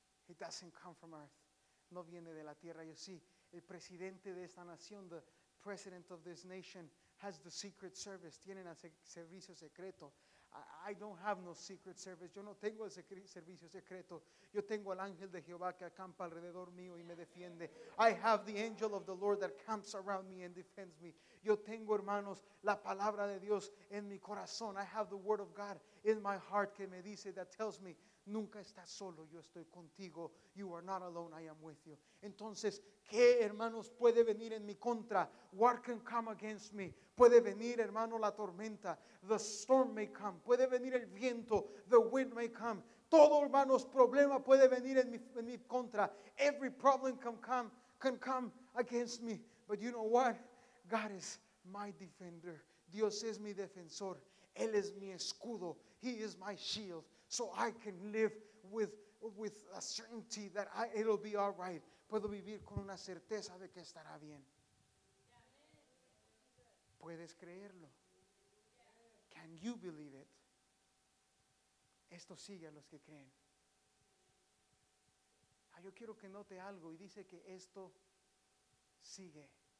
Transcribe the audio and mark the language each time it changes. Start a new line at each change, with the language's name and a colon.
English: It doesn't come from earth.
Spanish: No viene de la tierra.
English: You see,
Spanish: el presidente de esta nación,
English: the president of this nation, has the secret service.
Spanish: Tienen el servicio secreto.
English: I don't have no secret service.
Spanish: Yo no tengo ese servicio secreto. Yo tengo al ángel de Jehová que acampa alrededor mío y me defiende.
English: I have the angel of the Lord that camps around me and defends me.
Spanish: Yo tengo, hermanos, la palabra de Dios en mi corazón.
English: I have the word of God in my heart
Spanish: que me dice,
English: that tells me,
Spanish: nunca estás solo, yo estoy contigo.
English: You are not alone, I am with you.
Spanish: Entonces, ¿qué, hermanos, puede venir en mi contra?
English: What can come against me?
Spanish: Puede venir, hermano, la tormenta.
English: The storm may come.
Spanish: Puede venir el viento.
English: The wind may come.
Spanish: Todo, hermanos, problema puede venir en mi contra.
English: Every problem can come against me. But you know what? God is my defender.
Spanish: Dios es mi defensor. Él es mi escudo.
English: He is my shield. So I can live with a certainty that it'll be all right.
Spanish: Puedo vivir con una certeza de que estará bien. ¿Puedes creerlo?
English: Can you believe it?
Spanish: Esto sigue a los que creen. Yo quiero que note algo y dice que esto sigue.